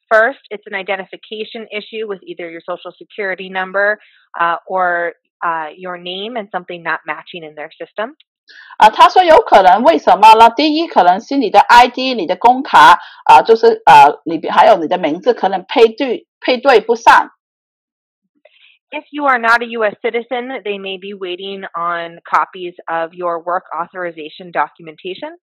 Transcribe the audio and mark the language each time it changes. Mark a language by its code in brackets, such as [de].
[en] First, it's an identification issue with either your social security number or your name and something not matching in their system. [zh] 他说有可能，为什么呢？第一，可能是你的ID、你的工卡，就是你还有你的名字，可能配对不上。 [en] If you are not a U.S. citizen, they may be waiting on copies of your work authorization documentation.